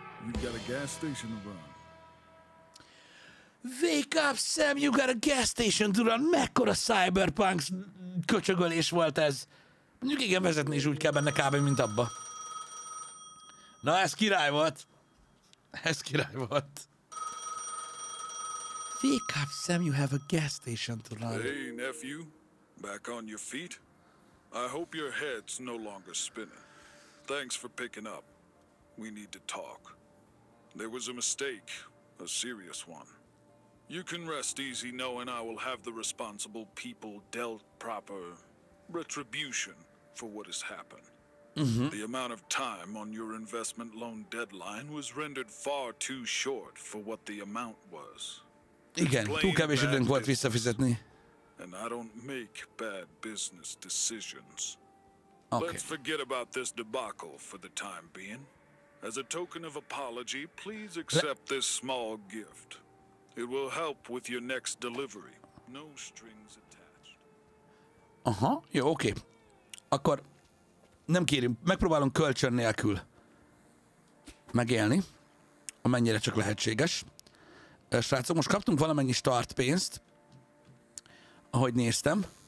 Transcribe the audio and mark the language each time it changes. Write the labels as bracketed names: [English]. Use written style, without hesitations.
[English] You've got a gas station to run. Wake up, Sam, you got a gas station to run. [Hungarian] Mekkora cyberpunk köcsögölés volt ez. Mondjuk igen, vezetni is úgy kell benne kb. Mint abba. Na, ez király volt. Ez király volt. [English] Wake up, Sam, you have a gas station to run. Hey, nephew. Back on your feet? I hope your head's no longer spinning. Thanks for picking up. We need to talk. There was a mistake. A serious one. You can rest easy knowing I will have the responsible people dealt proper retribution for what has happened. Mm-hmm. The amount of time on your investment loan deadline was rendered far too short for what the amount was. [Hungarian] Igen, túl kevés időnk volt visszafizetni. [English] And I don't make bad business decisions. Okay. Let's forget about this debacle for the time being. As a token of apology, please accept this small gift. It will help with your next delivery. No strings attached. [Hungarian] Aha, jó, oké. Okay. Akkor nem kérünk, megpróbálunk kölcsön nélkül megélni, amennyire csak lehetséges. Srácok, most kaptunk valamennyi start pénzt, ahogy néztem.